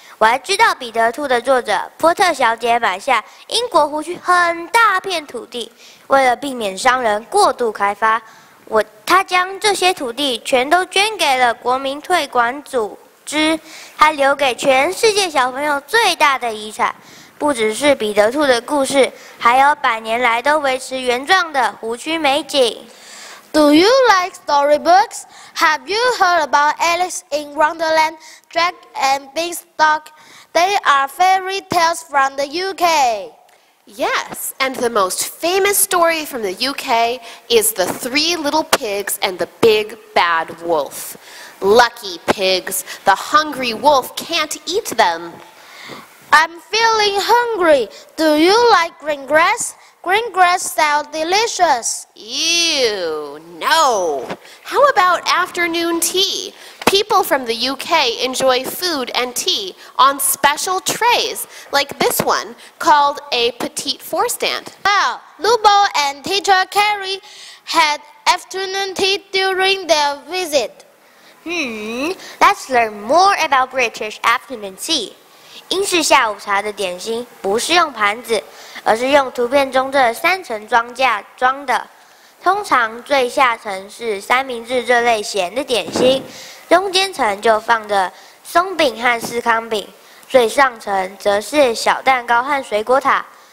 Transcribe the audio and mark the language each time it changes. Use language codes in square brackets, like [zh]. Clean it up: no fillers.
[zh] 我还知道彼得兔的作者波特小姐买下英国湖区很大片土地，为了避免商人过度开发，她将这些土地全都捐给了国民退管组织，她留给全世界小朋友最大的遗产。不只是彼得兔的故事，还有百年来都维持原状的湖区美景。 [en] Do you like storybooks? Have you heard about Alice in Wonderland, Jack and Beanstalk? They are fairy tales from the UK. Yes, and the most famous story from the UK is The Three Little Pigs and the Big Bad Wolf. Lucky pigs, the hungry wolf can't eat them. I'm feeling hungry. Do you like green grass? Green grass sounds delicious. Ew, no. How about afternoon tea? People from the UK enjoy food and tea on special trays, like this one, called a petite four stand. Well, Lubo and Teacher Carrie had afternoon tea during their visit. Let's learn more about British afternoon tea. [zh] 英式下午茶的点心不是用盘子，而是用图片中这三层装架装的。通常最下层是三明治这类咸的点心，中间层就放着松饼和司康饼，最上层则是小蛋糕和水果塔。